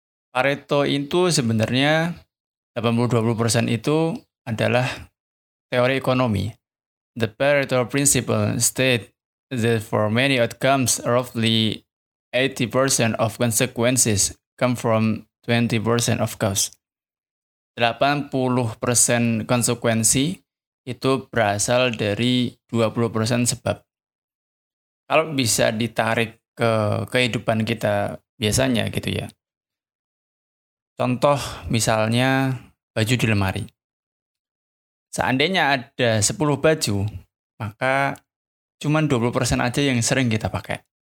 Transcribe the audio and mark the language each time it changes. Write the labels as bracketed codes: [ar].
[id] Pareto itu sebenarnya 80-20% itu adalah teori ekonomi. [en] The Pareto principle state that for many outcomes roughly 80% of consequences come from 20% of cause. [id] 80% konsekuensi itu berasal dari 20% sebab. Kalau bisa ditarik ke kehidupan kita biasanya gitu ya. Contoh misalnya baju di lemari. Seandainya ada 10 baju, maka cuma 20% aja yang sering kita pakai.